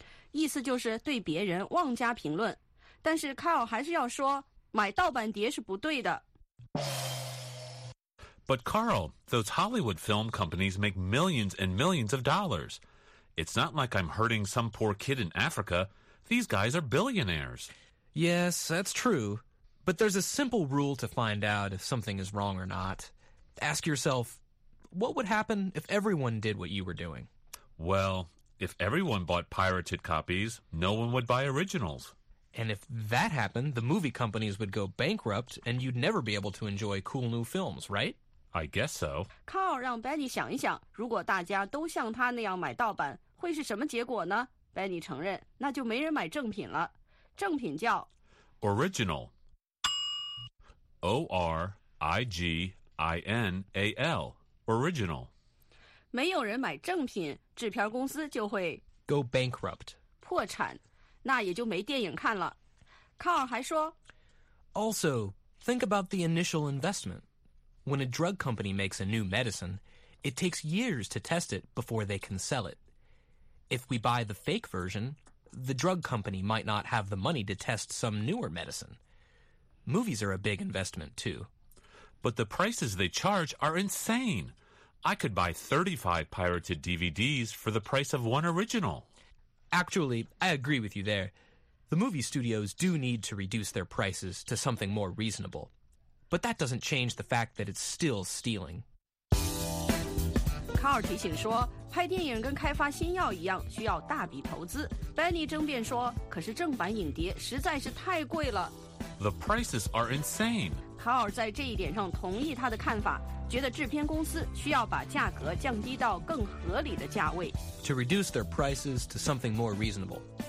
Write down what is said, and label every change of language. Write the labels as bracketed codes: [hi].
[zh] 意思就是对别人妄加评论，但是 Carl 还是要说买盗版碟是不对的。 [en] But Carl, those Hollywood film companies make millions and millions of dollars. It's not like I'm hurting some poor kid in Africa. These guys are billionaires. Yes, that's true. But there's a simple rule to find out if something is wrong or not. Ask yourself, what would happen if everyone did what you were doing? Well...If everyone bought pirated copies, no one would buy originals. And if that happened, the movie companies would go bankrupt and you'd never be able to enjoy cool new films, right? I guess so. [zh] Carl 让 Benny 想一想，如果大家都像他那样买盗版，会是什么结果呢？ Benny 承认，那就没人买正品了。正品叫 [en] Original. O-R-I-G-I-N-A-L. Original. [zh] 没有人买正品，制片公司就会 [en] Go bankrupt. [zh] 破产，那也就没电影看了。 Carl 还说 [en] Also, think about the initial investment. When a drug company makes a new medicine, it takes years to test it before they can sell it. If we buy the fake version, the drug company might not have the money to test some newer medicine. Movies are a big investment, too. But the prices they charge are insane. I could buy 35 pirated DVDs for the price of one original. Actually, I agree with you there. The movie studios do need to reduce their prices to something more reasonable. But that doesn't change the fact that it's still stealing. [zh] Carl 提醒说，拍电影跟开发新药一样，需要大笔投资。 Benny 争辩说，可是正版影碟实在是太贵了。 [en] The prices are insane. [zh] Carl 在这一点上同意他的看法，觉得制片公司需要把价格降低到更合理的价位。 [en] To reduce their prices to something more reasonable.